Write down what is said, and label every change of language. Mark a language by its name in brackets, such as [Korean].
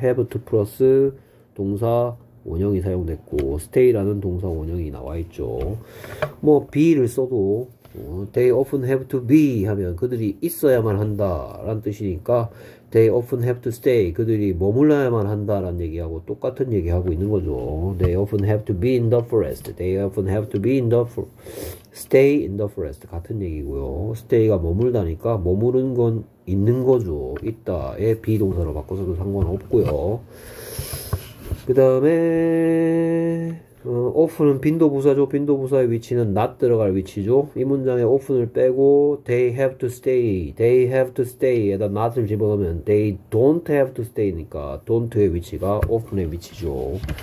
[Korean] have to 플러스 동사 원형이 사용됐고 stay라는 동사 원형이 나와 있죠. [English] 뭐 be를 써도 they often have to be [Korean] 하면 그들이 있어야만 한다라는 뜻이니까 [English] They often have to stay. [Korean] 그들이 머물러야만 한다라는 얘기하고 똑같은 얘기하고 있는 거죠. [English] They often have to be in the forest. They often have to be in the for stay in the forest. [Korean] 같은 얘기고요. Stay가 머물다니까 머무는 건 있는 거죠. 있다에 be 동사로 바꿔서도 상관없고요. 그다음에 often은 빈도부사죠. 빈도부사의 위치는 not 들어갈 위치죠. 이 문장에 [English] often을 빼고 they have to stay, they have to stay에다 not을 집어넣으면 they don't have to stay니까 don't의 위치가 often의 위치죠.